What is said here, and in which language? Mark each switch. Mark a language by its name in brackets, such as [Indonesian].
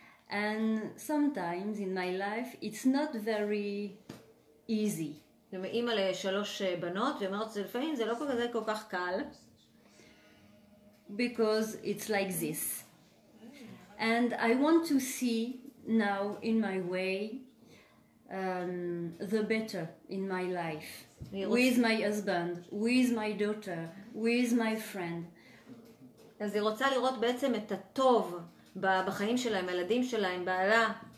[English] And sometimes in my life it's not very easy. [Hebrew] אמא לשלוש בנות ואומרת לפעמים זה לא כל כך קל. [English] Because it's like this. And I want to see now in my way the better in my life. With my husband, with my daughter, with my friend. [Hebrew] אז היא רוצה לראות בעצם את הטוב בחיים שלהם, הילדים שלהם, בעלה.